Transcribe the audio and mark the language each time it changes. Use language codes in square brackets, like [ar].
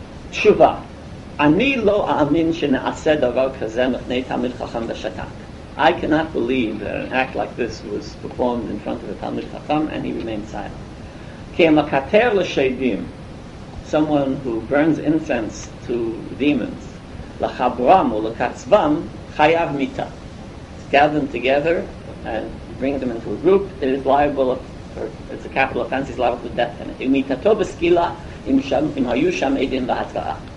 [he] תשובה, אני לא אאמין שנעשה דבר כזה מפני תלמיד חכם ושתק. [en] I cannot believe that an act like this was performed in front of the תלמיד חכם and he remained silent. [he] כי המקטר לשדים, [en] someone who burns incense to demons, [he] לחברם ולקצבם, חייב מיתה. [en] Gather them together and bring them into a group, it is liable, or it's a capital offense, he's liable to death. [he] ומיתתו בסקילה, אם היו שם עדים בהתראה.